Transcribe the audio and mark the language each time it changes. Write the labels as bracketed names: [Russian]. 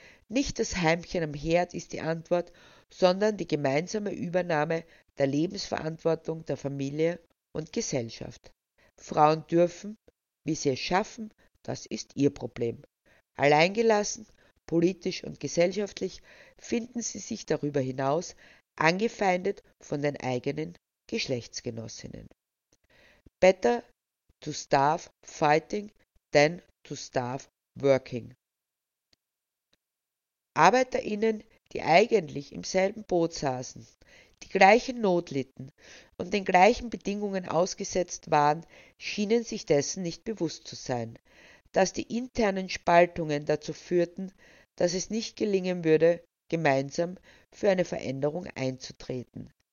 [German] Nicht das Heimchen am Herd ist die Antwort, sondern die gemeinsame Übernahme der Lebensverantwortung der Familie und Gesellschaft. Frauen dürfen, wie sie es schaffen, das ist ihr Problem. Alleingelassen, politisch und gesellschaftlich, finden sie sich darüber hinaus angefeindet von den eigenen Geschlechtsgenossinnen. [English] Better to starve fighting than to starve working. [German] ArbeiterInnen, die eigentlich im selben Boot saßen, die gleichen Not litten und den gleichen Bedingungen ausgesetzt waren, schienen sich dessen nicht bewusst zu sein, dass die internen Spaltungen dazu führten, dass es nicht gelingen würde, gemeinsam für eine Veränderung einzutreten.